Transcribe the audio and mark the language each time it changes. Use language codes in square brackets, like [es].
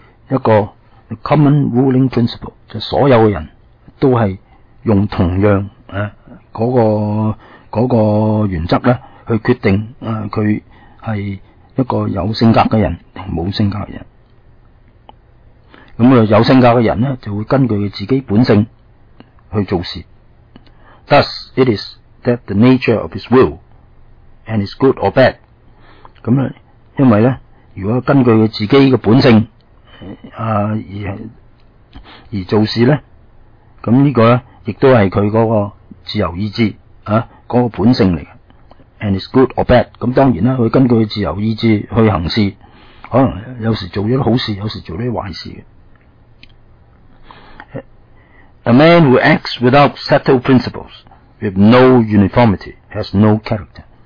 [yue] 一个 [en] common ruling principle， [yue] 就所有嘅人都系用同样那个原则咧去決定佢係一個有性格嘅人定冇性格嘅人。咁有性格嘅人咧，就會根據佢自己本性去做事。 [en] Thus, it is that the nature of his will and is good or bad。 [yue] 咁因為咧，如果根據佢自己嘅本性而做事咧，咁呢個咧，亦都係佢嗰個自由意志啊，嗰、那個本性嚟嘅。 [en] And is good or bad。 [yue] 咁當然啦，佢根據自由意志去行事，可能有時做咗啲好事，有時做咗啲壞事。 [en] A man who acts without settled principles, with no uniformity, has no character。